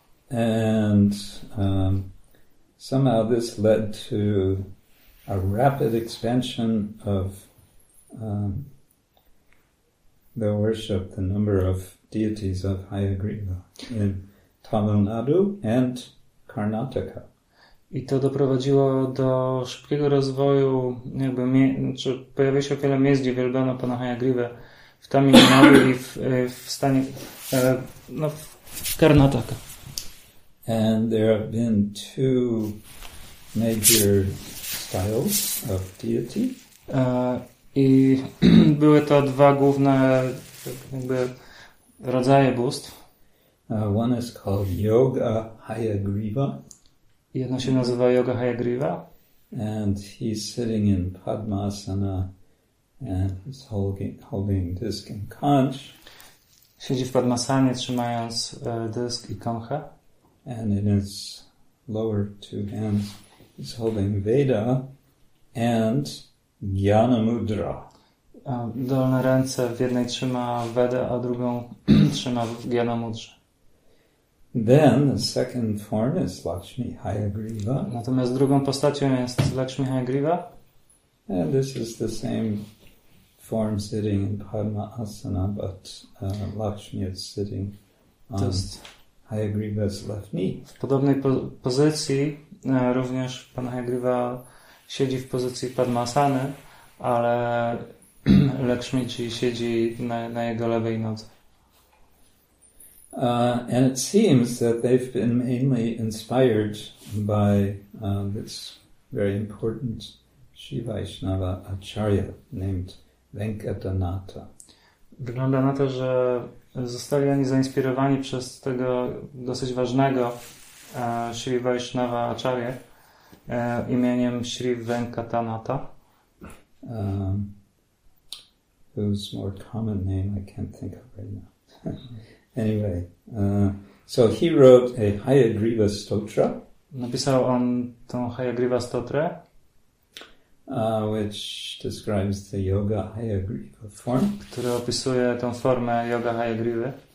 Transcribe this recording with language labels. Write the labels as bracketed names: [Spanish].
[English] And somehow this led to a rapid expansion of the worship, the number of deities of Hayagriva in Tamil Nadu and Karnataka. [Polish] I to doprowadziło do szybkiego rozwoju, jakby pojawiło się wiele miejsc, gdzie wielbiono pana Hayagriwę w Tamil Nadu i w stanie, no, w Karnataka. [English] And there have been two major styles of deity. [Polish] I były to dwa główne jakby rodzaje bóstw. [English] One is called Yoga Hayagriva. [Polish] Jedno się nazywa Yoga Hayagriva. [English] And he's sitting in Padmasana and he's holding disc and conch. [Polish] Siedzi w Padmasanie, trzymając dysk i konchę. [English] And in his lower two hands he's holding Veda and Jnana Mudra. [Polish] Dolne ręce, w jednej trzyma Vedę, a drugą trzyma Jnana Mudrę. [English] Then the second form is Lakshmi Hayagriva. [Polish] Natomiast drugą postacią jest Lakshmi Hayagriva. [English] And this is the same form sitting in Padmasana, but Lakshmi is sitting on Hayagriva's left knee. [Polish] W podobnej pozycji również pan Hayagriva siedzi w pozycji Padmasany, ale Lakshmi siedzi na jego lewej nodze. [English] And it seems that they've been mainly inspired by this very important Sri Vaishnava Acharya named Venkatanatha. [Polish] Wygląda na to, że zostali oni zainspirowani przez tego dosyć ważnego Sri Vaishnava Acharya imieniem Sri Venkatanatha. [English] Whose more common name I can't think of right now. Anyway, so he wrote a Hayagriva Stotra. [Polish] Napisał on tą Hayagriva Stotrę, [English] which describes the Yoga Hayagriva form. [Polish] Która opisuje tą formę Yoga Hayagriva.